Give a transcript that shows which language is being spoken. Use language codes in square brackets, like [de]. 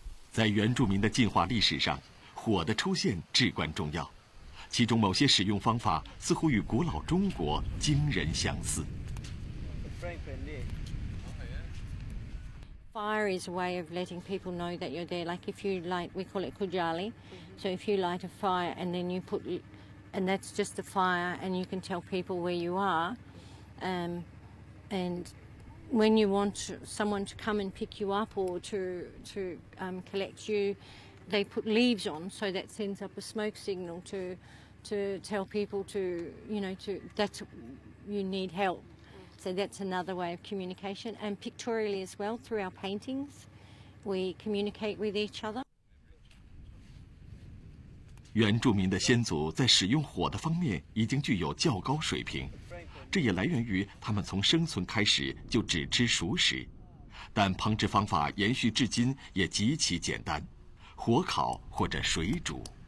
[zh] 在原住民的进化历史上，火的出现至关重要，其中某些使用方法似乎与古老中国惊人相似。 [en] Fire is a way of letting people know that you're there. Like if you light, we call it kujali. So if you light a fire and then you put And that's just the fire, and you can tell people where you are. And when you want someone to come and pick you up or to collect you, they put leaves on, so that sends up a smoke signal to tell people to, you know, to that you need help. So that's another way of communication. And pictorially as well, through our paintings, we communicate with each other. [zh] 原住民的先祖在使用火的方面已经具有较高水平，这也来源于他们从生存开始就只吃熟食，但烹制方法延续至今也极其简单，火烤或者水煮。